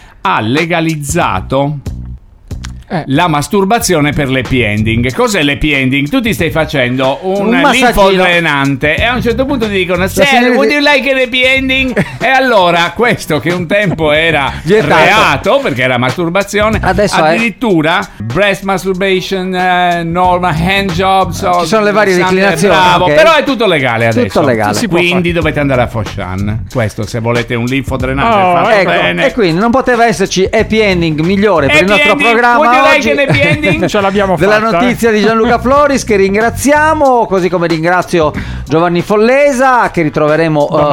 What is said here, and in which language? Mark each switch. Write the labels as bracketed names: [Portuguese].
[Italian] Ha legalizzato la masturbazione per l'happy ending. Cos'è l'happy ending? Tu ti stai facendo un linfodrenante e a un certo punto ti dicono: [English] would you like an happy ending? [Italian] E allora questo, che un tempo era reato perché era masturbazione, adesso addirittura è [English] breast masturbation, normal hand jobs, [Italian] ci sono le varie declinazioni, però è tutto legale adesso, tutto legale. Quindi dovete andare a Foshan, questo se volete un linfodrenante bene. E quindi non poteva esserci happy ending migliore per [English] happy [Italian] il nostro [English] ending [Italian] programma. Ma oggi ce l'abbiamo fatta della notizia di Gianluca Floris, che ringraziamo, così come ringrazio Giovanni Follesa, che ritroveremo